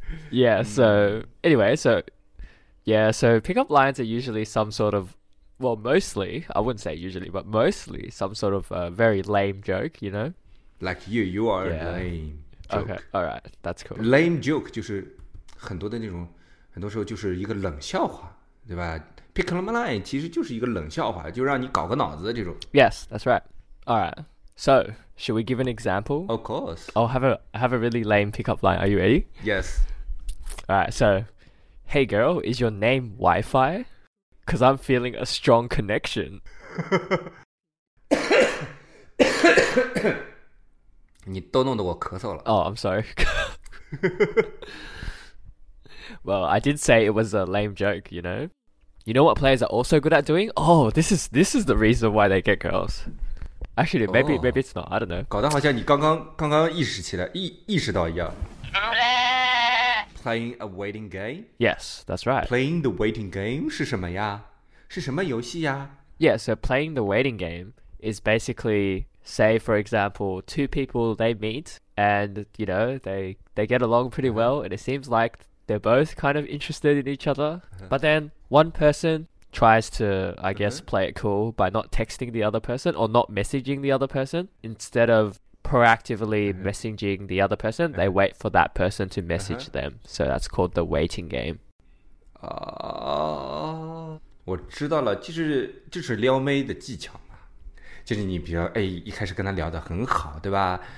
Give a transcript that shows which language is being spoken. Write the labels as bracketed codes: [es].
[en] Yeah, so, anyway, so, yeah, so pickup lines are usually some sort of, well, mostly, I wouldn't say usually, but mostly some sort of a very lame joke, you know? Like you are yeah. lame joke. Okay, all right, that's cool. [zh] Lame joke 就是很多的那种, 很多时候就是一个冷笑话,对吧? Pickup line 其实就是一个冷笑话, 就让你搞个脑子的这种。 [en] Yes, that's right. All right, so, should we give an example? Of course. Oh, have a really lame pickup line. Are you ready? Yes. Alright, so, hey girl, is your name Wi-Fi? Because I'm feeling a strong connection. [zh] 都弄得我咳嗽了。 [en] Oh, I'm sorry. Well, I did say it was a lame joke, you know? You know what players are also good at doing? Oh, this is the reason why they get girls. Actually, maybe,、oh, maybe it's not. I don't know. [zh] 搞得好像你刚刚意识起来意识到一样。 [en] Playing a waiting game? Yes, that's right. Playing the waiting game [zh] 是什么呀？是什么游戏呀？ [en] Yeah, so playing the waiting game is basically, say for example, two people they meet and, you know, they get along pretty well and it seems like they're both kind of interested in each other. But then one person tries to, I guess, play it cool by not texting the other person or not messaging the other person. Instead of proactively messaging the other person, they wait for that person to message them. So that's called the waiting game. [zh] 我知道了，就是撩妹的技巧嘛，就是你比如哎一开始跟他聊得很好，对吧？